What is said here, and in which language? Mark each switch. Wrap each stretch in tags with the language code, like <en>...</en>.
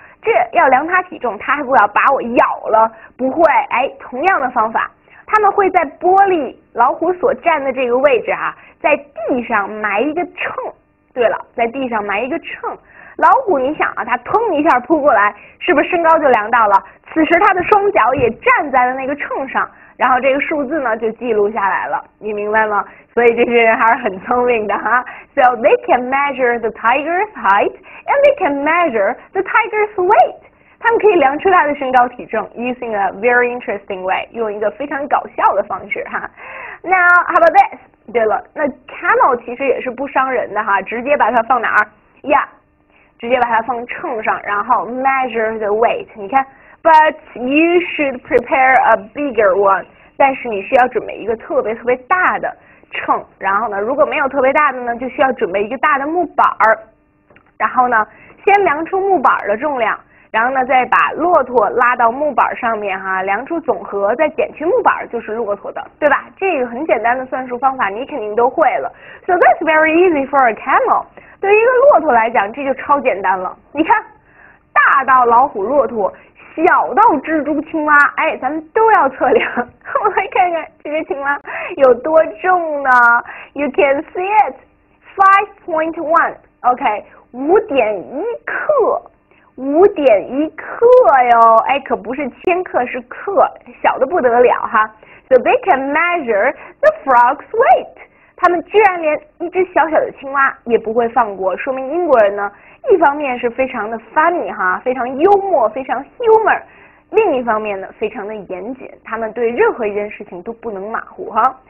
<zh>这要量它体重，它还不要把我咬了？不会，哎，同样的方法，他们会在玻璃老虎所站的这个位置啊，在地上埋一个秤。对了，在地上埋一个秤，老虎你想啊，它腾一下扑过来，是不是身高就量到了？此时它的双脚也站在了那个秤上，然后这个数字呢就记录下来了，你明白吗？所以这些人还是很聪明的哈。</zh> <en>So they can measure the tiger's height and they can measure the tiger's weight。</en> <zh>他们可以量出它的身高体重，</zh> <en>using a very interesting way，</en> <zh>用一个非常搞笑的方式哈。</zh> <en>Now how about this？</en> <zh>对了，那 camel 其实也是不伤人的哈，直接把它放哪儿？Yeah，直接把它放秤上，然后</zh> <en>measure the weight。</en> <zh>你看，</zh> <en>but you should prepare a bigger one。</en> <zh>但是你需要准备一个特别特别大的秤，然后呢，如果没有特别大的呢，就需要准备一个大的木板儿，然后呢，先量出木板的重量，然后呢，再把骆驼拉到木板上面哈，量出总和，再减去木板就是骆驼的，对吧？这个很简单的算术方法，你肯定都会了。</zh> <en>So that's very easy for a camel。</en> <zh>对于一个骆驼来讲，这就超简单了。你看，大到老虎、骆驼，小到蜘蛛、青蛙，哎，咱们都要测量。我们来看看这个青蛙有多重呢？</zh> <en>You can see it,</en> <zh>5.1，OK，5.1克，5.1克哟，哎，可不是千克，是克，小的不得了哈。</zh> <en>So they can measure the frog's weight。</en> <zh>他们居然连一只小小的青蛙也不会放过，说明英国人呢，一方面是非常的 funny 哈，非常幽默，非常 humor。另一方面呢，非常的严谨，他们对任何一件事情都不能马虎哈。</zh>